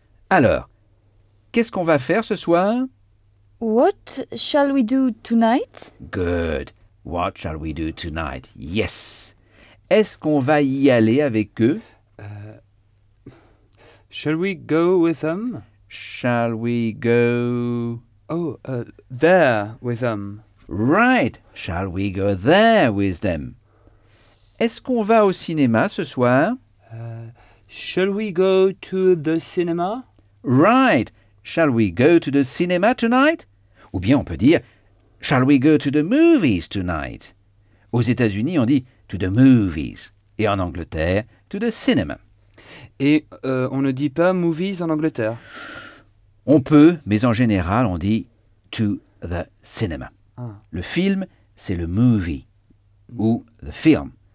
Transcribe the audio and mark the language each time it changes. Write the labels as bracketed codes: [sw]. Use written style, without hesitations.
[fr] Alors, qu'est-ce qu'on va faire ce soir? [en] What shall we do tonight? Good. What shall we do tonight? Yes. [fr] Est-ce qu'on va y aller avec eux? [en] Shall we go with them? Shall we go... Oh, there with them. Right. Shall we go there with them? [fr] Est-ce qu'on va au cinéma ce soir? [en] Shall we go to the cinema? Right. Shall we go to the cinema tonight? [fr] Ou bien on peut dire, [en] shall we go to the movies tonight? [fr] Aux États-Unis, on dit [en] to the movies. [fr] Et en Angleterre, [en] to the cinema. [fr] Et on ne dit pas movies en Angleterre? On peut, mais en général, on dit [en] to the cinema. [fr] Ah. Le film, c'est le movie. Ou the film.